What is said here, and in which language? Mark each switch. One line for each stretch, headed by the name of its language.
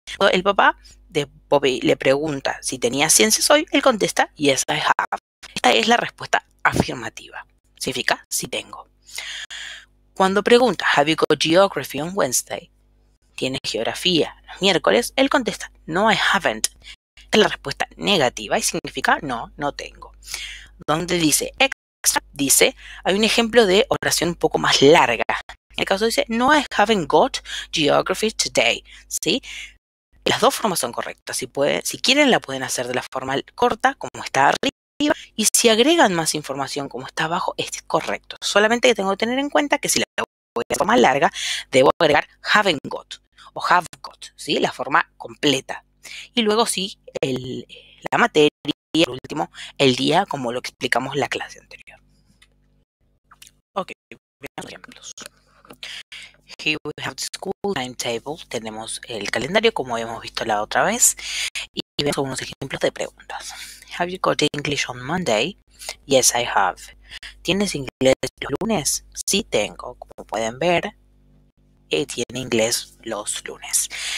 Spanish: El papá de Bobby le pregunta si tenía ciencias hoy. Él contesta, yes, I have. Esta es la respuesta afirmativa. Significa, sí tengo. Cuando pregunta, have you got geography on Wednesday? ¿Tienes geografía los miércoles? Él contesta, no, I haven't. Es la respuesta negativa y significa, no, no tengo. Donde dice extra, dice, hay un ejemplo de oración un poco más larga. En el caso dice, no, I haven't got geography today. ¿Sí? Las dos formas son correctas. Si quieren, la pueden hacer de la forma corta, como está arriba. Y si agregan más información, como está abajo, este es correcto. Solamente que tengo que tener en cuenta que si la voy a hacer de forma larga, debo agregar haven't got o have got, ¿sí? La forma completa. Y luego sí, la materia y por último, el día, como lo explicamos en la clase anterior. Ok, veamos ejemplos.
English: Here we have the school timetable.
Spanish: Tenemos el calendario como habíamos visto la otra vez. Y vemos algunos ejemplos de preguntas.
English: Have you got English on Monday? Yes, I have.
Spanish: ¿Tienes inglés los lunes? Sí, tengo. Como pueden ver, tiene inglés los lunes.